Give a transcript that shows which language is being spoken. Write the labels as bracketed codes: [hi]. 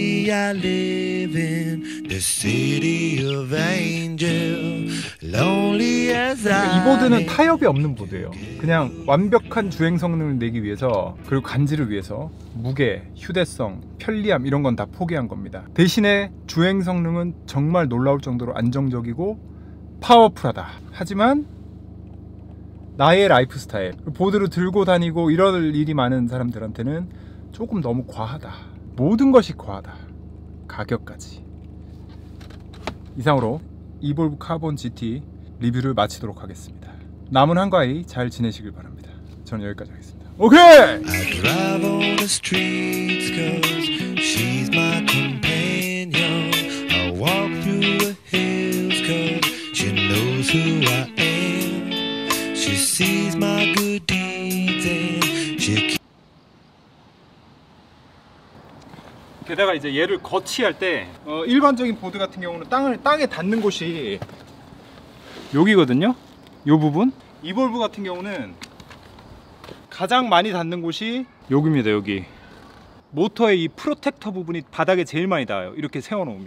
[en] I live in the city of angels. Lonely as I am. [ko] 이 보드는 타협이 없는 보드예요. 그냥 완벽한 주행 성능을 내기 위해서, 그리고 간지를 위해서 무게, 휴대성, 편리함 이런 건 다 포기한 겁니다. 대신에 주행 성능은 정말 놀라울 정도로 안정적이고 파워풀하다. 하지만 나의 라이프 스타일, 보드를 들고 다니고 이럴 일이 많은 사람들한테는 조금 너무 과하다. 모든 것이 과하다. 가격까지. 이상으로 이볼브 카본 GT 리뷰를 마치도록 하겠습니다. 남은 한가위 잘 지내시길 바랍니다. 저는 여기까지 하겠습니다. 오케이! [en] I drive on the streets cause she's my companion. I walk through the hills cause she knows who I am. She sees my good deeds and she can't. [ko] 게다가 이제 얘를 거치할 때 일반적인 보드 같은 경우는 땅에 닿는 곳이 여기거든요. 요 부분. 이볼브 같은 경우는 가장 많이 닿는 곳이 여기입니다. 여기 모터의 이 프로텍터 부분이 바닥에 제일 많이 닿아요. 이렇게 세워놓으면.